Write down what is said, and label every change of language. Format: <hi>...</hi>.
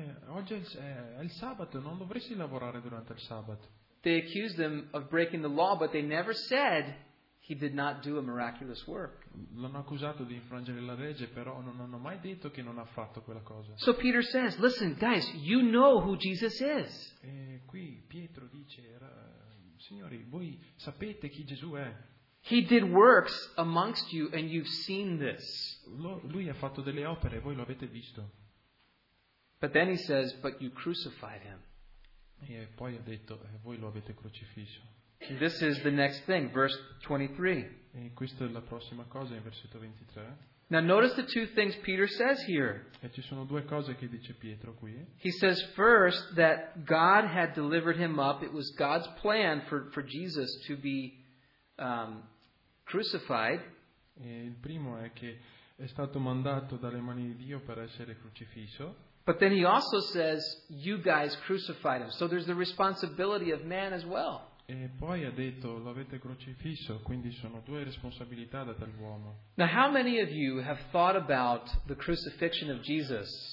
<it>Oggi è il sabato, non dovresti lavorare durante il sabato.</it> <en>They accused him of breaking the law, but they never said he did not do a miraculous work.</en> <it>L'hanno accusato di infrangere la legge, però non hanno mai detto che non ha fatto quella cosa.</it> <en>So Peter says, listen guys, you know who Jesus is.</en> <it>E qui Pietro dice, signori, voi sapete chi Gesù è.</it> <en>He did works amongst you and you've seen this.</en> <it>Lui ha fatto delle opere e voi lo avete visto.</it> <en>But then he says, but you crucified him.</en> <it>E poi ha detto, voi lo avete crocifisso.</it> <en>This is the next thing, verse 23.</en> <it>E questa è la prossima cosa in versetto 23.</it> <en>Now notice the two things Peter says here.</en> <it>E ci sono due cose che dice Pietro qui.</it> <en>He says first that God had delivered him up. It was God's plan for Jesus to be crucified.</en> <it>E il primo è che è stato mandato dalle mani di Dio per essere crocifisso.</it> <en>But then he also says, you guys crucified him. So there's the responsibility of man as well.</en> <it>E poi ha detto, l'avete crocifisso, quindi sono due responsabilità date all'uomo.</it> <en>Now how many of you have thought about the crucifixion of Jesus?</en>